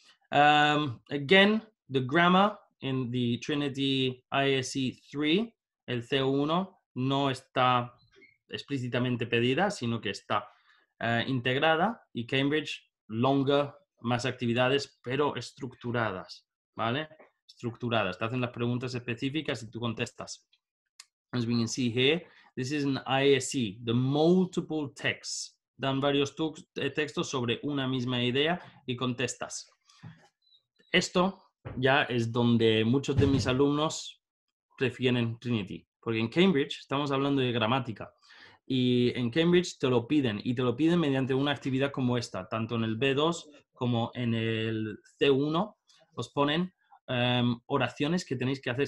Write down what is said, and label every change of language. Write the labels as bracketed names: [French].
[English] Again, the grammar in the Trinity ISE 3, [Spanish] el C1, no está explícitamente pedida, sino que está integrada, y Cambridge, longer, más actividades, pero estructuradas, ¿vale? Estructuradas. Te hacen las preguntas específicas y tú contestas. [English] As we can see here, this is an ISE, the multiple texts. [Spanish] Dan varios textos sobre una misma idea y contestas. Esto ya es donde muchos de mis alumnos prefieren Trinity. Porque en Cambridge estamos hablando de gramática. Y en Cambridge te lo piden. Y te lo piden mediante una actividad como esta. Tanto en el B2 como en el C1 os ponen oraciones que tenéis que hacer.